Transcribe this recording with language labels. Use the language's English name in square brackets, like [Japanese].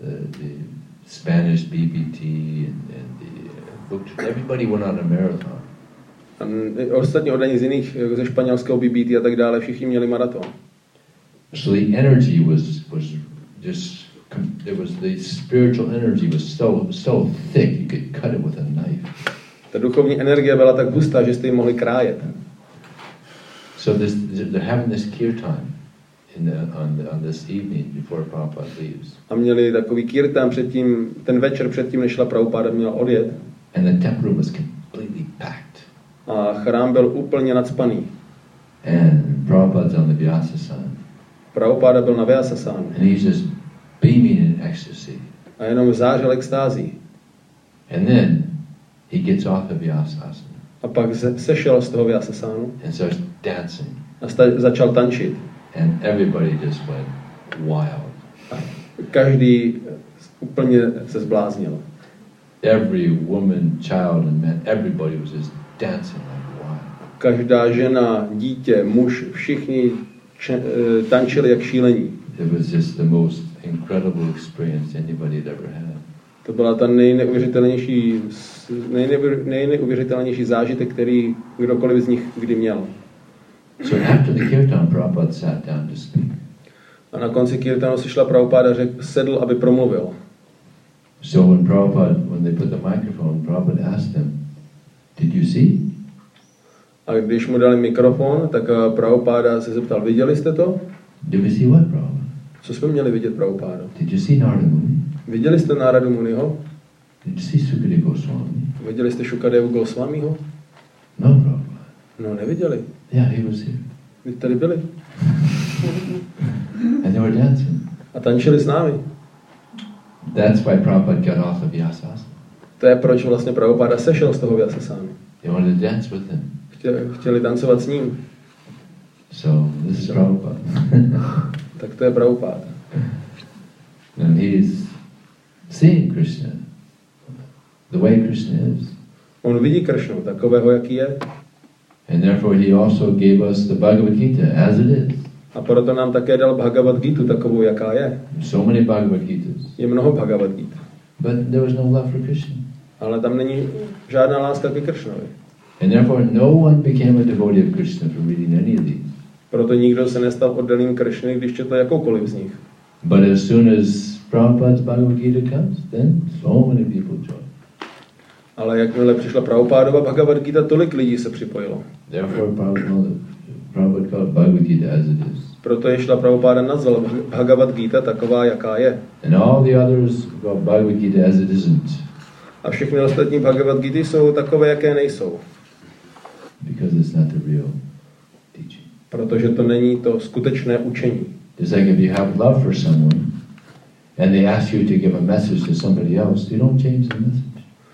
[English] The Spanish BBT and the everybody went on a marathon. [Czech] Ostatní oddaní z jiných, ze španělského BBT a tak dále, všichni měli maraton. [English] So the energy was just it was the spiritual energy was so thick you could cut it with a knife. [Czech] Ta duchovní energie byla tak hustá, že jste ji mohli krájet. [English] So they're having this kirtan in the, on this evening before Prabhupada leaves. [Czech] A měli takový kirtan předtím, ten večer předtím, než šla Prabhupada, měla odjet. [English] And the temple was completely packed. [Czech] A chrám byl úplně nacpaný. [English] And Prabhupada's on the Vyasasan. [Czech] Prabhupada byl na Vyasasan. [English] And he's just beaming in ecstasy. [Czech] A jenom zářil extází. [English] And then he gets off of Vyasasana. [Czech] A pak sešel z toho Vyasasanu. [English] And starts dancing. [Czech] A začal tančit. [English] And everybody just went wild. [Czech] Každý úplně se zbláznil. [English] Every woman, child and man, everybody was just dancing like wild. [Czech] Každá žena, dítě, muž, všichni tančili jak šílení. [English] It was just the most incredible experience anybody had ever had. [Czech] To byla ta nejneuvěřitelnější zážitek, který kdokoliv z nich kdy měl. [English] So after the kirtan, Prabhupada sat down to speak. [Czech] A na konci kirtanu se šla Prabhupada sedl, aby promluvil. [English] So when Prabhupada, when they put the microphone, Prabhupada asked them, "Did you see?" [Czech] A když mu dali mikrofon, tak Prabhupada se zeptal, viděli jste to? [English] Did you see what, Prabhupada? [Czech] Co jsme měli vidět, Prabhupada? [English] Did you see Narada Muni? [Czech] Viděli jste Narada Muniho? [English] Did you see Sukadeva Goswami? [Czech] Viděli jste Sukadeva Goswamiho? [English] No, Prabhupada. [Czech] No, neviděli. [English] Yeah, he was here. [Czech] Vy tady byli. [English] And they were dancing. [Czech] A tančili s námi. [English] That's why Prabhupada got off of Vyasasana. [Czech] To je proč vlastně Prabhupada sešel z toho Vyasasana. [English] They wanted to dance with him. [Czech] Chtěli tancovat s ním. [English] So, this is Prabhupada. [Czech] Tak to je Prabhupada. [English] And he is seeing Krishna the way Krishna is. [Czech] On vidí Krishnu takového, jaký je. [English] And therefore he also gave us the Bhagavad Gita as it is. [Czech] A proto nám také dal Bhagavad Gita takovou, jaká je. [English] So many Bhagavad Gitas. [Czech] Je mnoho Bhagavad Gita. [English] But there was no love for Krishna. [Czech] Ale tam není žádná láska ke Krishnovi. [English] And therefore no one became a devotee of Krishna from reading any of these. [Czech] Proto nikdo se nestal oddaným Krishny, když četl jakoukoliv z nich. [English] But as soon as Prabhupada's Bhagavad Gita comes, then so many people join. [Czech] Ale jakmile přišla Prabhupádova Bhagavad Gita, tolik lidí se připojilo. [English] Therefore Prabhupada called Bhagavad Gita as it is. [Czech] Proto je šla Prabhupáda nazval Bhagavad Gita taková, jaká je. [English] And all the others called Bhagavad Gita as it isn't. [Czech] A všechny ostatní Bhagavad Gita jsou takové, jaké nejsou. [English] Because it's not the real teaching. [Czech] Protože to není to skutečné učení. [English] It's like if you have love for someone and they ask you to give a message to somebody else, you don't change the message.